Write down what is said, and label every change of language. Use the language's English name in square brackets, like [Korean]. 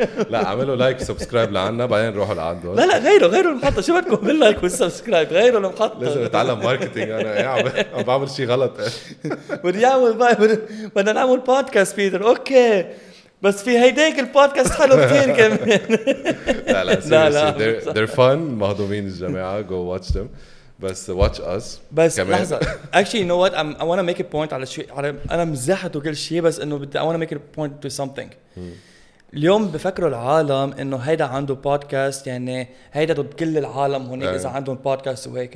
[Arabic] لا اعملوا لايك سبسكرايب لعنا بعدين روحوا لعنده. لا غيروا المحطه شو بدكم من لايك وسبسكرايب غيروا المحطه لازم اتعلم ماركتينج انا عم بعمل شيء غلط بدي اعمل بدنا نعمل بودكاست بيتر اوكي بس في هيداك البودكاست حلو كثير كمان. لا [English] they're fun [Arabic] مهضومين الجماعة [English] go watch them [Arabic] بس [English] watch us [Arabic] بس كمان. لحظة [English] actually you know what I wanna make a point [Arabic] على شيء على أنا مزحت وكل شيء بس إنه بدي [English] I wanna make a point to something. [Arabic] اليوم بفكروا العالم إنه هيدا عنده بودكاست يعني هيدا ضد كل العالم هون إذا عندهم بودكاست وهيك.